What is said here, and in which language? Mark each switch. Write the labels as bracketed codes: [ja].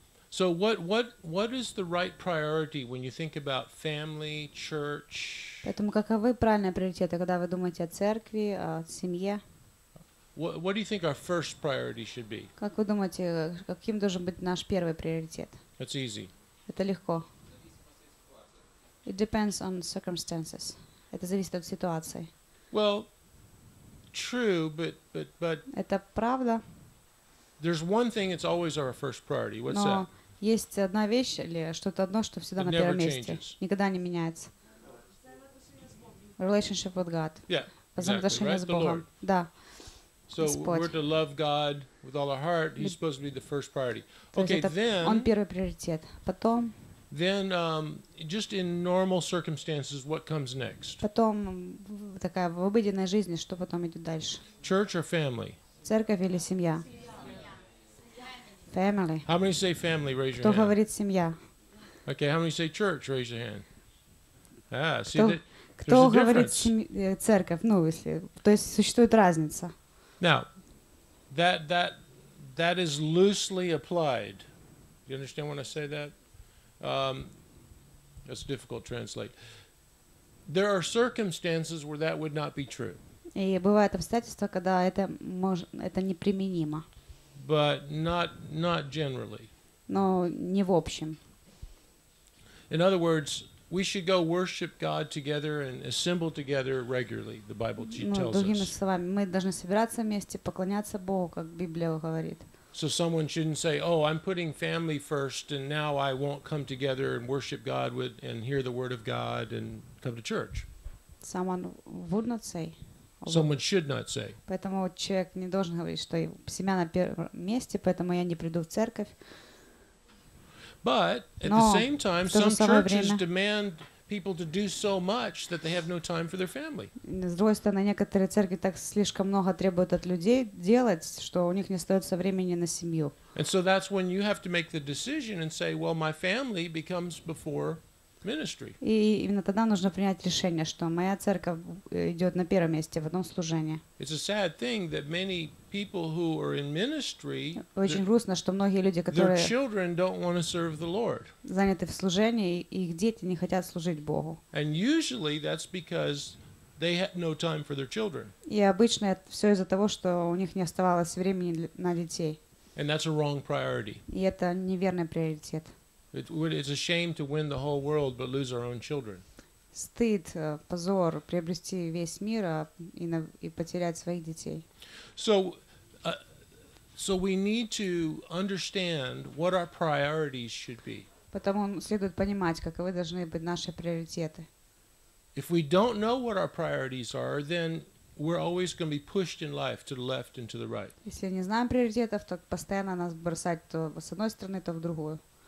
[en] So what is the right priority when you think about family, church? [ru] Поэтому каковы правильные приоритеты, когда вы думаете о церкви, о семье? [en] What do you think our first priority should be? [ru] Как вы думаете, каким должен быть наш первый приоритет? [en] That's easy. [ru] Это легко. [en] It depends on circumstances. [ru] Это зависит от ситуации. [en] Well, true, but. [ru] Это правда. [en] There's one thing that's always our first priority. What's [ru] Но [en] that? [ru] Есть одна вещь или что-то одно, что всегда [en] it [ru] на первом месте. Никогда не меняется. [en] Relationship with God. Yeah. [ru] Взаимоотношения с Богом. Да. [en] So we're to love God with all our heart. He's supposed to be the first priority. Okay, then. [ru] Он первый приоритет. Потом. [en] Then, just in normal circumstances, what comes next? [ru] Потом такая в обыденной жизни, что потом идет дальше? [en] Church or family? [ru] Церковь или семья? [en] Family. How many say family? Raise your [ru] Кто [en] hand. [ru] Кто говорит семья? [en] Okay, how many say church? Raise your hand. Ah, [ru] кто, [en] see that. [ru] Кто говорит церковь? Ну, если, то есть существует разница. [en] Now, that is loosely applied. Do you understand when I say that? That's difficult to translate. There are circumstances where that would not be true. [ru] И бывают обстоятельства, когда это неприменимо. [en] But not generally. [ru] Но не в общем. [en] In other words, we should go worship God together and assemble together regularly, the Bible tells [ru] другими словами, мы должны собираться вместе, поклоняться Богу, как Библия говорит. [en] So someone shouldn't say, oh, I'm putting family first, and now I won't come together and worship God with and hear the word of God and come to church. Someone would not say. Someone should not say. [ru] Поэтому человек не должен говорить, что семья на первом месте, поэтому я не приду в церковь. [en] But at the same time, some churches demand people to do so much that they have no time for their family. [ru] С другой стороны, некоторые церкви так слишком много требуют от людей делать, что у них не остается времени на семью. [en] And so that's when you have to make the decision and say, well, my family becomes before ministry. [ru] И именно тогда нужно принять решение, что моя церковь идет на первом месте в одном служении. [en] It's a sad thing that many people who are in ministry, [ru] очень грустно, что многие люди, которые [en] their children don't want to serve the Lord. [ru] Заняты в служении, и их дети не хотят служить Богу. [en] And usually that's because they had no time for their children. [ru] И обычно это все из-за того, что у них не оставалось времени на детей. [en] And that's a wrong priority. [ru] И это неверный приоритет. [en] It's a shame to win the whole world but lose our own children. [ru] Стыд, позор приобрести весь мир и потерять своих детей. [en] So we need to understand what our priorities should be. [ru] Поэтому следует понимать, каковы должны быть наши приоритеты. [en] If we don't know what our priorities are, then we're always going to be pushed in life to the left and to the right. [ru] Если не знаем приоритетов, то постоянно нас бросать то с одной стороны, то в другую.